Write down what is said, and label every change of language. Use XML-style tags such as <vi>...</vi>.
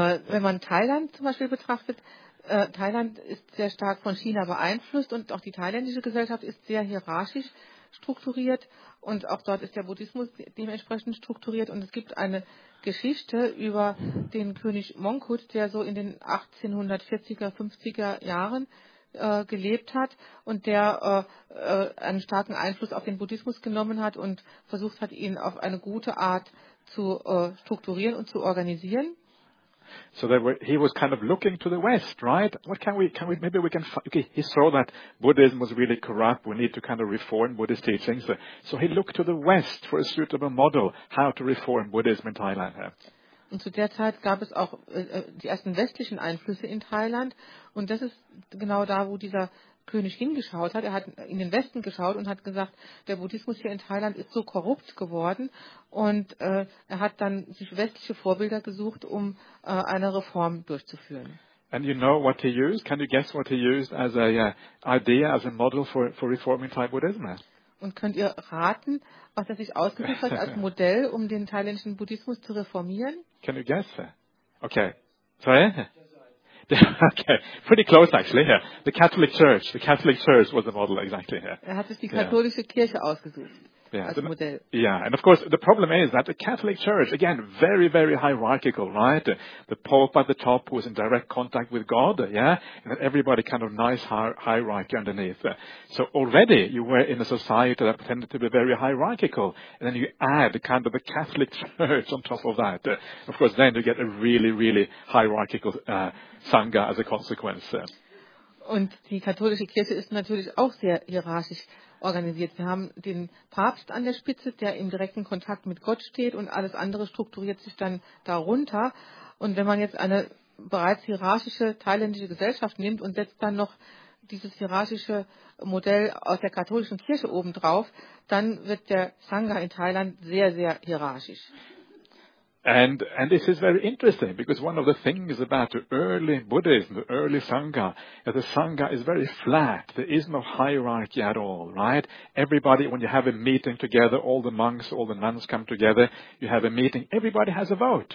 <de>Wenn man Thailand zum Beispiel betrachtet, Thailand ist sehr stark von China beeinflusst und auch die thailändische Gesellschaft ist sehr hierarchisch strukturiert und auch dort ist der Buddhismus dementsprechend strukturiert und es gibt eine Geschichte über den König Mongkut, der so in den 1840er, 50er Jahren gelebt hat und der einen starken Einfluss auf den Buddhismus genommen hat und versucht hat, ihn auf eine gute Art zu strukturieren und zu organisieren.</de> <en>So he was kind of looking to the West, right? What can we maybe we can find? Okay, he saw that Buddhism was really corrupt. We need to kind of reform Buddhist teachings. So he looked to the West for a suitable model how to reform Buddhism in Thailand.</en> <de>Und zu der Zeit gab es auch die ersten westlichen Einflüsse in Thailand. Und das ist genau da, wo dieser König hingeschaut hat. Er hat in den Westen geschaut und hat gesagt, der Buddhismus hier in Thailand ist so korrupt geworden. Und er hat dann sich westliche Vorbilder gesucht, um eine Reform durchzuführen.</de> <en>And you know what he used? Can you guess what he used as a idea, as a model for reforming Thai Buddhism?</en> <de>Und könnt ihr raten, was er sich ausgesucht hat als Modell, um den thailändischen Buddhismus zu reformieren?</de> <en>Can you guess? Okay. Sorry? Okay. Pretty close, actually. Yeah. The Catholic Church. The Catholic Church was the model, exactly. Yeah.</en> <de>Er hat sich die katholische Kirche ausgesucht.</de> <en>Yeah, and of course the problem is that the Catholic Church, again, very, very hierarchical, right? The Pope at the top was in direct contact with God, yeah? And everybody kind of nice hierarchy underneath. So already you were in a society that tended to be very hierarchical, and then you add kind of the Catholic Church on top of that. Of course, then you get a really, really hierarchical Sangha as a consequence.</en> <de>Und die katholische Kirche ist natürlich auch sehr hierarchisch organisiert. Wir haben den Papst an der Spitze, der im direkten Kontakt mit Gott steht und alles andere strukturiert sich dann darunter. Und wenn man jetzt eine bereits hierarchische thailändische Gesellschaft nimmt und setzt dann noch dieses hierarchische Modell aus der katholischen Kirche obendrauf, dann wird der Sangha in Thailand sehr, sehr hierarchisch.</de> <en>And this is very interesting, because one of the things about the early Buddhism, the early Sangha, is the Sangha is very flat. There is no hierarchy at all, right? Everybody, when you have a meeting together, all the monks, all the nuns come together, you have a meeting, everybody has a vote.</en>